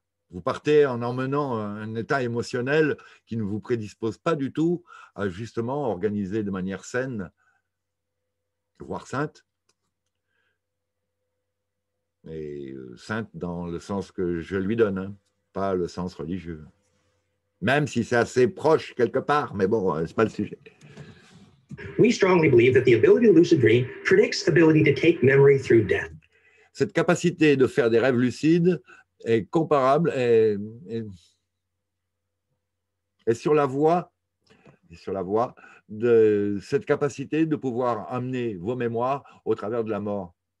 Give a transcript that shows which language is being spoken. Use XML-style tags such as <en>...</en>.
<fr>Vous partez en emmenant un état émotionnel qui ne vous prédispose pas du tout à justement organiser de manière saine, voire sainte, et sainte dans le sens que je lui donne, hein, pas le sens religieux. Même si c'est assez proche quelque part, mais bon, c'est pas le sujet.</fr> <en>We strongly believe that the ability to lucid dream predicts ability to take memory through death.</en> <fr>Cette capacité de faire des rêves lucides est comparable et sur la voie de cette capacité de pouvoir amener vos mémoires au travers de la mort.</fr>